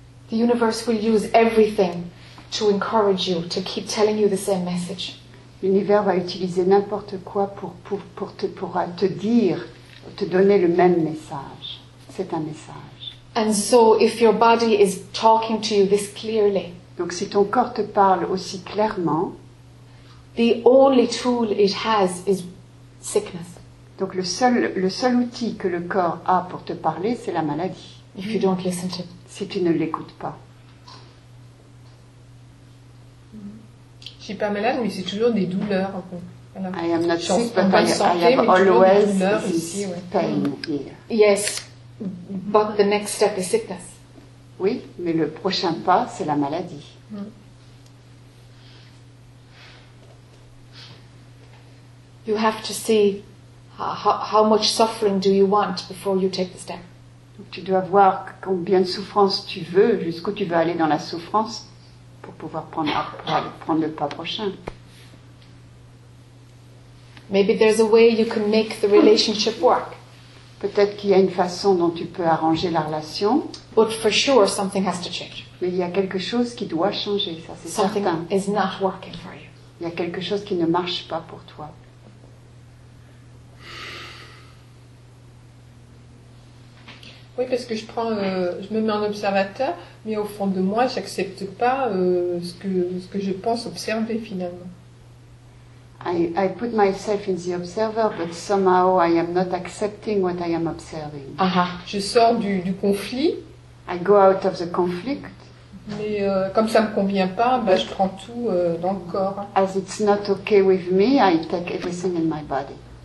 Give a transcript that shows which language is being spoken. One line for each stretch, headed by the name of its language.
English: The universe will use everything to encourage you to keep telling you the same message.
French: L'univers va utiliser n'importe quoi pour te dire, te donner le même message. C'est un message.
English: And so if your body is talking to you this clearly.
French: Donc si ton corps te parle aussi clairement,
English: the only tool it has is sickness.
French: Donc le seul outil que le corps a pour te parler, c'est la maladie.
English: If you don't listen to it.
French: Si tu ne l'écoutes pas. Je suis pas malade, mais c'est toujours des douleurs. Voilà.
English: I am not sick, but I have always this pain here. Yes, but the next step is sickness.
French: Oui, mais le prochain pas, c'est la maladie.
English: You have to see how much suffering do you want before you take the step.
French: Donc, tu dois voir combien de souffrance tu veux, jusqu'où tu veux aller dans la souffrance. Pour pouvoir prendre le pas prochain.
English: Maybe there's a way you can make the relationship work.
French: Peut-être qu'il y a une façon dont tu peux arranger la relation.
English: But for sure, something has to change.
French: Mais il y a quelque chose qui doit changer, ça c'est
English: something
French: certain.
English: Is not working for you.
French: Il y a quelque chose qui ne marche pas pour toi. Oui, parce que je me mets en observateur, mais au fond de moi, j'accepte pas ce que je pense observer finalement.
English: I put myself in the observer, but somehow I am not accepting what I am observing.
French: Uh-huh. Je sors du conflit.
English: I go out of the conflict.
French: Mais comme ça me convient pas, bah, je prends tout dans le corps.
English: As it's not okay with me, I take everything in my body.